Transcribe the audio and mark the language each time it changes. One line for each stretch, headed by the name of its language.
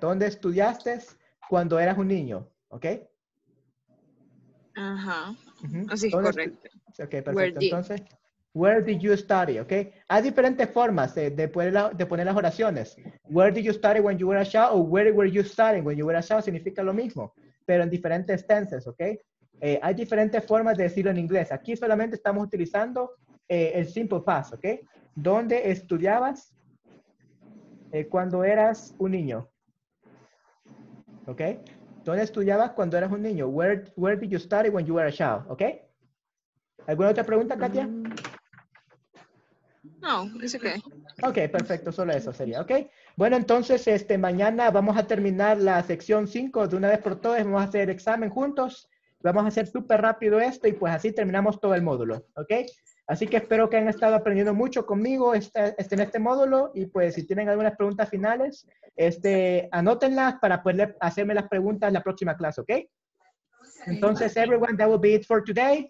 Spanish: ¿Dónde estudiaste cuando eras un niño? ¿Ok? Ajá. Así es correcto. Ok, perfecto. Entonces,
English: where did you study?
Spanish: ¿Ok? Hay diferentes formas de poner las oraciones.
English: Where did you study when you were a child? O where were you studying when you were a child?
Spanish: Significa lo mismo, pero en diferentes tenses, ¿ok? Hay diferentes formas de decirlo en inglés. Aquí solamente estamos utilizando el simple past, ¿ok? ¿Dónde estudiabas cuando eras un niño? ¿Ok? ¿Dónde estudiabas cuando eras un niño?
English: Where did you study when you were a child?
Spanish: ¿Ok? ¿Alguna otra pregunta, Katia?
English: No, it's okay.
Spanish: Ok, perfecto. Solo eso sería, ¿ok? Bueno, entonces, mañana vamos a terminar la sección 5. De una vez por todas, vamos a hacer examen juntos. Vamos a hacer súper rápido esto y pues así terminamos todo el módulo, ¿ok? Así que espero que hayan estado aprendiendo mucho conmigo en este módulo y pues si tienen algunas preguntas finales, anótenlas para poder hacerme las preguntas en la próxima clase, ¿ok?
English: Entonces, everyone, that will be it for today.